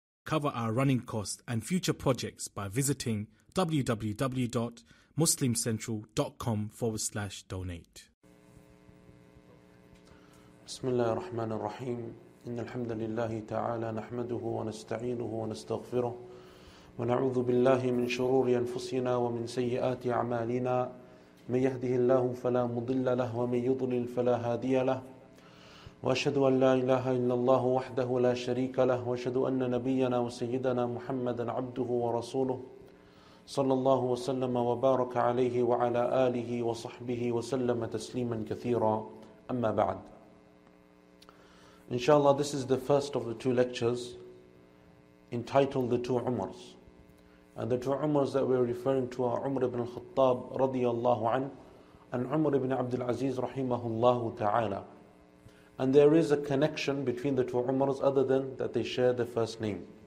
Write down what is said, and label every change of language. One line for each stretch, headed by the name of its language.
English: cover our running costs and future projects by visiting www.muslimcentral.com/donate.
Arabic: بسم الله الرحمن الرحيم إن الحمد لله تعالى نحمده ونستعينه ونستغفره ونعوذ بالله من شرور أنفسنا ومن سيئات أعمالنا من يهده الله فلا مضل له ومن يضلل فلا هادي له وأشهد أن لا إله إلا الله وحده لا شريك له وأشهد أن نبينا وسيدنا محمدا عبده ورسوله صلى الله وسلم وبارك عليه وعلى آله وصحبه وسلم تسليما كثيرا أما بعد.
English: Inshallah, this is the first of the two lectures entitled The Two Umars. And the two Umars that we're referring to are Umar ibn al-Khattab radiyallahu an and Umar ibn Abdul Aziz rahimahullahu ta'ala. And there is a connection between the two Umars other than that they share the first name.